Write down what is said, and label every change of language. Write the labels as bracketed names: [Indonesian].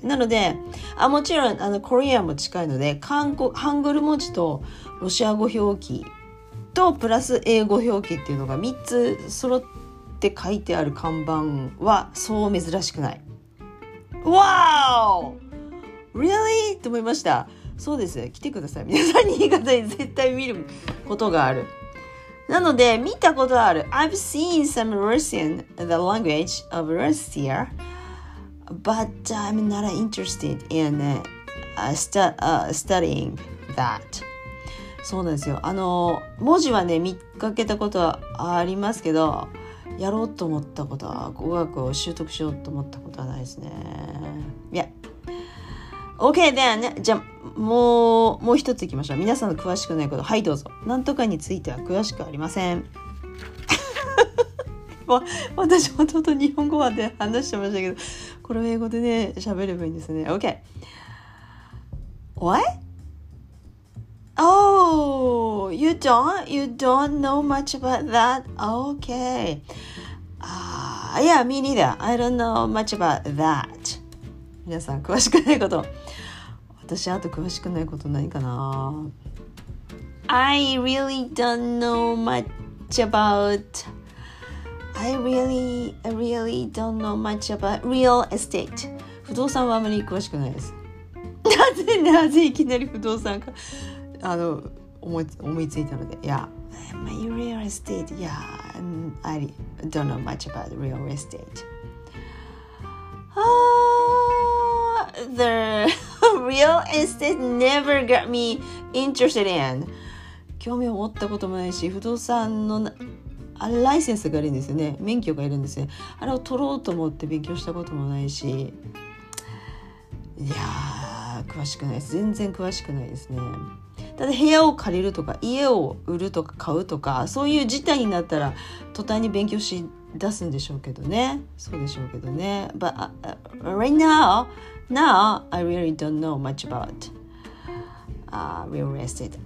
[Japanese] なので、もちろんコリアも近いので、ハングル文字とロシア語表記とプラス英語表記っていうのが3つ揃って書いてある看板はそう珍しくない。わー、 Really? と思いました。そうです、来てください、皆さん新潟に絶対見ることがある。なので見たことある。 [English] I've seen some Russian, the language of Russia, but I'm not interested in studying that. [Japanese] そうなんですよ、あの文字はね見かけたことはありますけど、やろうと思ったことは、語学を習得しようと思ったことはないですね。いや、OK then、じゃあもう一ついきましょう。皆さんの詳しくないこと、はいどうぞ。なんとかについては詳しくありません。私もともと日本語まで話してましたけど、これを英語でね喋ればいいんですね。 [English] OK。 What? Oh, you don't know much about that. Okay. Yeah, me neither. I don't know much about that. [Japanese] 皆さん詳しくないこと。私あと詳しくないことないかな。 [English] I really don't know much about real estate. [Japanese] 不動産はあまり詳しくないです。なぜいきなり不動産か、あの思いついたので、いや、 [English] my real estate, yeah, I don't know much about real estate. The real estate never got me interested in. [Japanese] 興味を持ったこともないし、不動産のあれライセンスがあるんですよね、免許がいるんですよ、あれを取ろうと思って勉強したこともないし、いや。詳しくないです、全然詳しくないですね。ただ部屋を借りるとか家を売るとか買うとかそういう事態になったら途端に勉強し出すんでしょうけどね、そうでしょうけどね。 [English] But right now I really don't know much about real estate.